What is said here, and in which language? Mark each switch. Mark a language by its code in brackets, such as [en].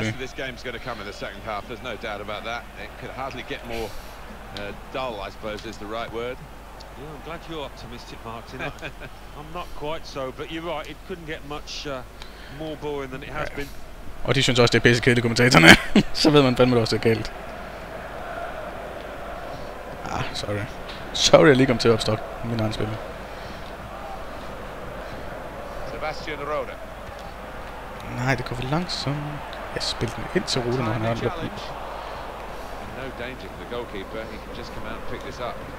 [en] This game's going to come in the second half. There's no doubt about that. It could hardly get more dull, I suppose is the right word. Yeah, I'm glad you're optimistic, Martin. I'm not quite so, but you're right. It couldn't get much more boring than it has been. [da] Og de synes også, det er pisse kedeligt, kommentatorerne. Så ved man fandme, det også er galt. Ah, sorry. Sorry, jeg lige kom til at opstokke min egen spiller. Sebastian Rode. Nej, det går for langsomt. Jeg spilte den ind til Rode, når han har løbet. [en] No danger for the goalkeeper. He can just come out and pick this up.